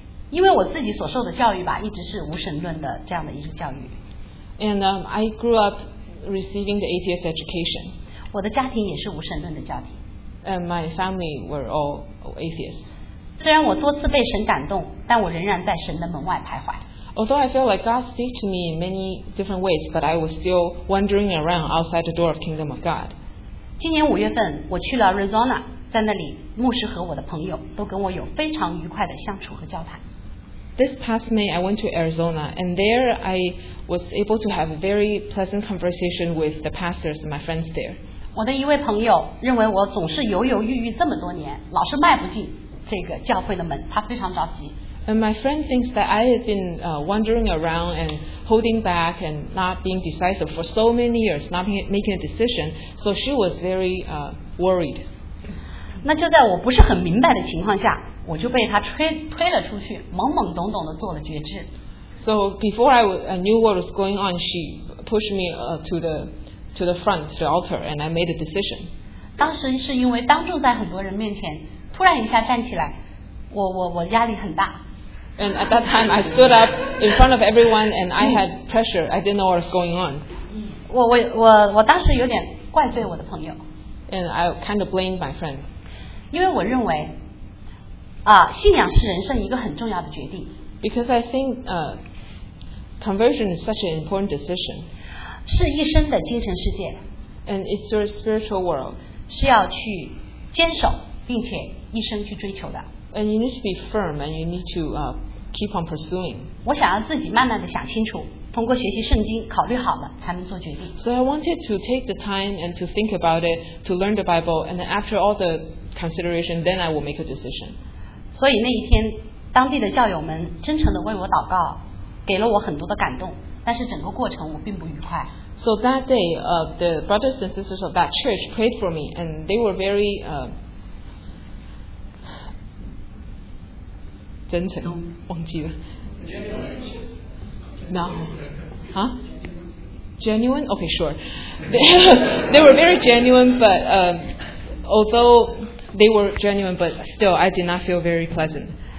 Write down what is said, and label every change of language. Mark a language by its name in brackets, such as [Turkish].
[Chinese] 因为我自己所受的教育吧，一直是无神论的这样的一个教育。 [English] And I grew up receiving the atheist education. [Chinese] 我的家庭也是无神论的家庭。 [English] And my family were all atheists. [Chinese] 虽然我多次被神感动，但我仍然在神的门外徘徊。 [English] Although I feel like God speaks to me in many different ways, but I was still wandering around outside the door of Kingdom of God. [Chinese] 今年五月份，我去了 Arizona， 在那里，牧师和我的朋友都跟我有非常愉快的相处和交谈。 [English] This past May, I went to Arizona, and there I was able to have a very pleasant conversation with the pastors and my friends there. [Chinese] 我的一位朋友认为我总是犹犹豫豫这么多年，老是迈不进这个教会的门，他非常着急。 [English] And my friend thinks that I have been wandering around and holding back and not being decisive for so many years, not making a decision. So she was very worried. [Chinese] 那就在我不是很明白的情况下，我就被他推了出去，懵懵懂懂的做了决志。 [English] So before I knew what was going on, she pushed me to the front, the altar, and I made a decision. [Chinese] 当时是因为当众在很多人面前突然一下站起来，我压力很大。 [English] And at that time, I stood up in front of everyone, and I had pressure. I didn't know what was going on. [Chinese] 我当时有点怪罪我的朋友。 [English] And I kind of blamed my friend. [Chinese] 因为我认为，信仰是人生一个很重要的决定。 [English] Because I think, conversion is such an important decision. [Chinese] 是一生的精神世界。 [English] And it's your spiritual world. [Chinese] 是要去坚守，并且一生去追求的。 [English] And you need to be firm, and you need to keep on pursuing. [Chinese] 我想要自己慢慢的想清楚，通过学习圣经，考虑好了才能做决定。 [English] So I wanted to take the time and to think about it, to learn the Bible, and then after all the consideration, then I will make a decision. [Chinese] 所以那一天，当地的教友们真诚的为我祷告，给了我很多的感动，但是整个过程我并不愉快。 [English] So that day, the brothers and sisters of that church prayed for me, and they were very [Chinese] 真诚，忘记了。 [English] No, huh? Genuine? Okay, sure. They were very genuine, but although they were genuine, but still, I did not feel very pleasant.